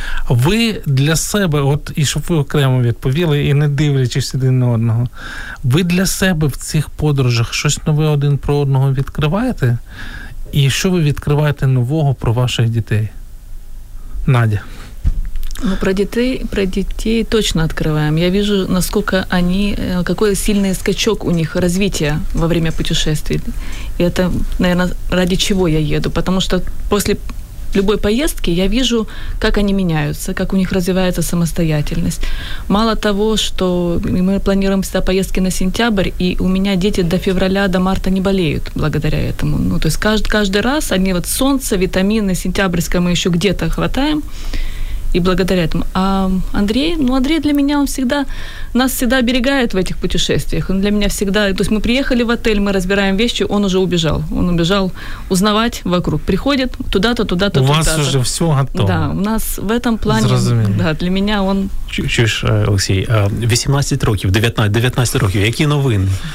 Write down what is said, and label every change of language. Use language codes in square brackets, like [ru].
[uk] Ви для себе, от, і щоб ви окремо відповіли, і не дивлячись один на одного, ви для себе в цих подорожах щось нове один про одного відкриваєте? І що ви відкриваєте нового про ваших дітей? Надя. [ru] Ну, про дітей точно открываем. Я вижу, насколько они, какой сильный скачок у них развития во время путешествий. И это, наверное, ради чего я еду. Потому что после любой поездки я вижу, как они меняются, как у них развивается самостоятельность. Мало того, что мы планируем всегда поездки на сентябрь, и у меня дети до февраля, до марта не болеют благодаря этому. Ну, то есть каждый раз они вот солнце, витамины, сентябрьское мы еще где-то хватаем. И благодаря этому. А Андрей, ну Андрей для меня, он всегда, нас всегда оберегает в этих путешествиях. Он для меня всегда, то есть мы приехали в отель, мы разбираем вещи, он уже убежал. Он убежал узнавать вокруг. Приходит туда-то, туда-то, у туда-то. У вас уже все готово. Да, у нас в этом плане, [uk] зрозуміло. [ru] Да, для меня он... [uk] Чуєш, Олексій, 18 років, 19 років, які новини?